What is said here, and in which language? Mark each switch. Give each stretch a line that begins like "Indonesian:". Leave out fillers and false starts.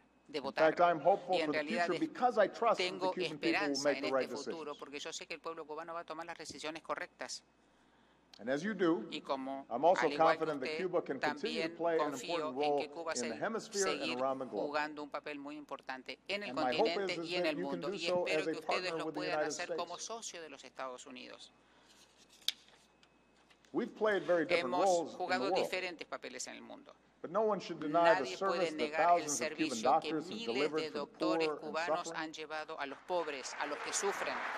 Spanish: De votar.
English: In fact, I'm hopeful for the future because I trust that the Cuban people will make the right decisions. And as you do, I'm also confident that Cuba can continue to play an important role in the hemisphere and around the globe.
Spanish: Un papel muy importante en el continente y en el mundo. Y espero que ustedes lo puedan hacer como socio de los Estados Unidos.
English: We've played very different roles in the
Spanish: diferentes papeles en el mundo.
English: But no one should deny the service that thousands of Cuban doctors have delivered to the poor and suffering.
Spanish: Han llevado a los pobres, a los que sufren.